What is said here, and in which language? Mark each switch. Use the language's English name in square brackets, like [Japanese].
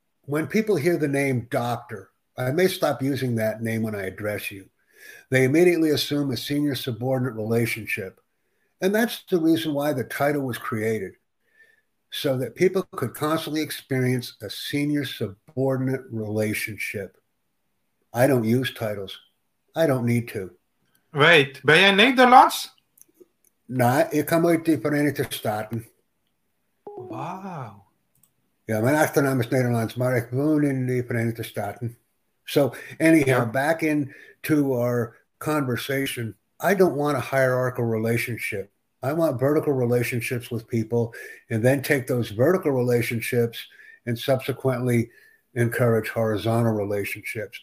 [English] When people hear the name doctor, I may stop using that name when I address you. They immediately assume a senior subordinate relationship. And that's the reason why the title was created, so that people could constantly experience a senior subordinate relationship. I don't use titles. I don't need to. [Dutch] Wait, bij een Nederlands? Nee, ik kom uit de Verenigde Staten. Wow. Ja, mijn achternaam is Nederlands, maar ik woon in de Verenigde Staten. [English] So anyhow, back into our conversation, I don't want a hierarchical relationship. I want vertical relationships with people and then take those vertical relationships and subsequently encourage horizontal relationships.